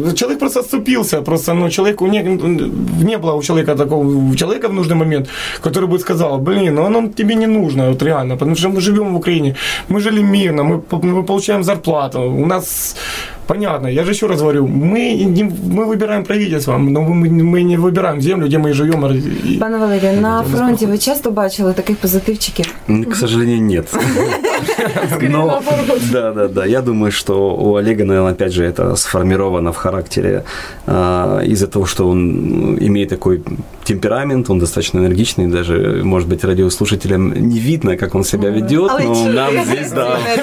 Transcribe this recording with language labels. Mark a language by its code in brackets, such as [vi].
[ru] Человек просто отступился, просто, ну, человеку не было у человека такого, у человека в нужный момент, который бы сказал, блин, ну, оно тебе не нужно, вот реально, потому что мы живем в Украине, мы жили мирно, мы получаем зарплату, у нас, понятно, я же еще раз говорю, мы выбираем правительство, но мы не выбираем землю, где мы живем. [uk] Пане Валерію, на фронте вы часто бачили таких позитивчиков? [ru] К сожалению, нет. Но, да. Я думаю, что у Олега, наверное, опять же, это сформировано в характере из-за того, что он имеет такой темперамент, он достаточно энергичный, даже, может быть, радиослушателям не видно, как он себя ведет, но нам здесь, да,